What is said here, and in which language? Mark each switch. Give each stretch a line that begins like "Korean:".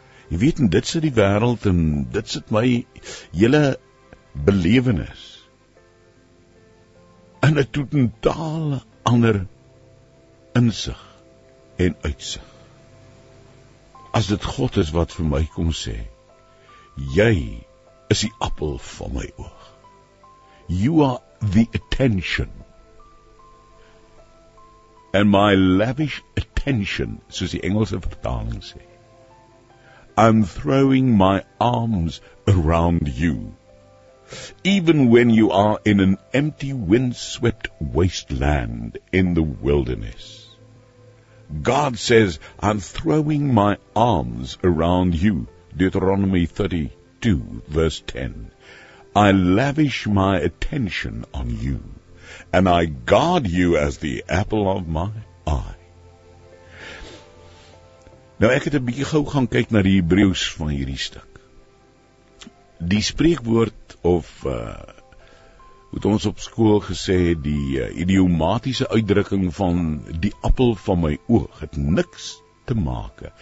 Afrikaans: Jy weet, en dit sit die wêreld, en dit sit my hele belewenis in 'n totale ander insig en uitsig. As dit God is wat vir my kom sê, jy is die appel van my oog.
English: You are the attention, and my lavish attention,
Afrikaans: soos die Engelse vertaling sê,
English: I'm throwing my arms around you, even when you are in an empty wind-swept wasteland in the wilderness. God says, I'm throwing my arms around you, Deuteronomy 32 verse 10. I lavish my attention on you, and I guard you as the apple of my eye.
Afrikaans: Nou, ek het 'n bietjie gou gaan kyk na die Hebreëus van hierdie stuk. Die spreekwoord, of het ons op school gesê, die idiomatiese uitdrukking van die appel van my oog het niks te maak.